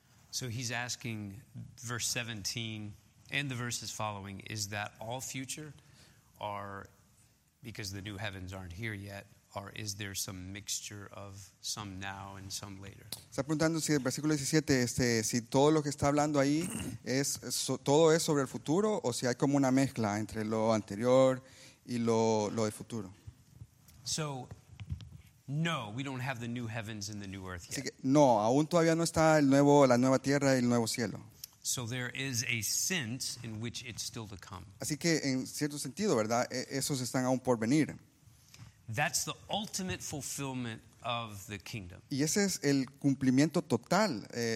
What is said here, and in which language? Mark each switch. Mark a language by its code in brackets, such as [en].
[en] So he's asking, verse 17 and the verses following, is that all future, or because the new heavens aren't here yet, or is there some mixture of some now and some later? [es] Está preguntando si el versículo 17, si todo lo que está hablando ahí es todo es sobre el futuro, o si hay como una mezcla entre lo anterior y lo de futuro. [en] So. No, we don't have the new heavens and the new earth yet. [es] Así que, no, aún todavía no está el nuevo, la nueva tierra y el nuevo cielo. [en] So there is a sense in which it's still to come. [es] Así que en cierto sentido, ¿verdad? Esos están aún por venir. [en] That's the ultimate fulfillment of the kingdom. [es] Y ese es el cumplimiento total